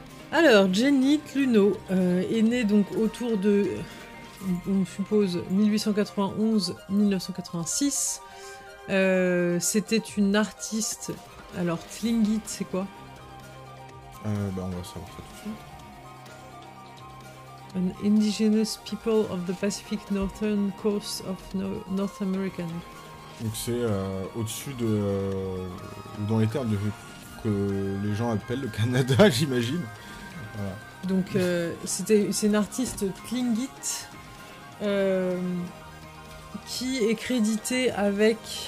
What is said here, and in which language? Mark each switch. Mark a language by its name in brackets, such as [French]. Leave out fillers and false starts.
[French] Alors, Jenny Tlunahut est née donc autour de... On suppose 1891-1986. C'était une artiste... Alors, Tlingit, c'est quoi? Bah, on va savoir ça tout de suite. [English] An indigenous people of the Pacific Northern Coast of North America. [French] Donc c'est au-dessus de... dans les terres que les gens appellent le Canada, j'imagine. Voilà. Donc c'est une artiste Tlingit qui est créditée avec...